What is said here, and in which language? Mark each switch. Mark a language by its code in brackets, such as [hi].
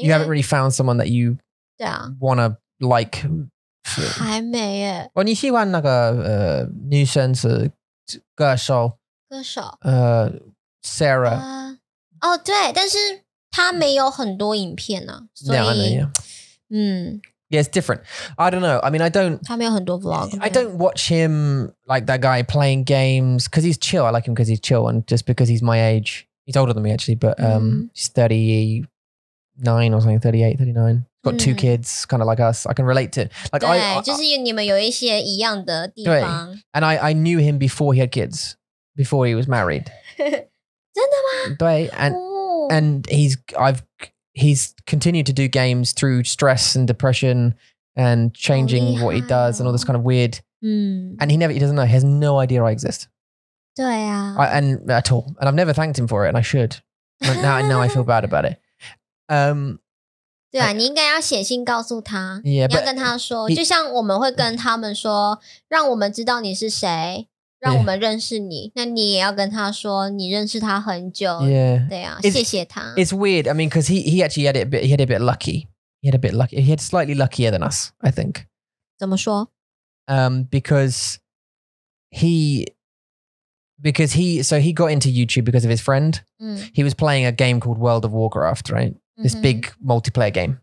[en] You haven't really found someone that you wanna like. [zh] 还没耶。哦，你喜欢那个女生是歌手？歌手。 [en] Sarah. [zh] 哦、oh, 对但是他没有很多影片啊。所以 [en] yeah, I know, yeah. Yeah, it's different. I don't know. I mean, I don't... [zh] 他没有很多 vlog. [en] I don't watch him like that guy playing games because he's chill. I like him because he's chill and just because he's my age. He's older than me actually, but he's 39 or something, 38, 39. Got two kids, kind of like us. I can relate to it. Like, [zh] 对, 就是你们有一些一样的地方。 [en] And I knew him before he had kids, before he was married. [zh] 真的吗? [en] 对, and he's continued to do games through stress and depression and changing what he does and all this kind of weird. And he doesn't know. He has no idea I exist. [zh] 对啊. [en] At all. And I've never thanked him for it and I should. Now I feel bad about it. [zh] 对啊, 你应该要写信告诉他。 [en] Yeah, [zh] 你要跟他说, 就像我们会跟他们说, 让我们知道你是谁。让我们认识你 那你也要跟他说你认识他很久 [en] yeah. [zh] 对啊 谢谢他 [en] It's weird, I mean, because he had a bit lucky. He had slightly luckier than us, I think. [zh] 怎么说? [en] Because he got into YouTube because of his friend. He was playing a game called World of Warcraft, right? This big multiplayer game.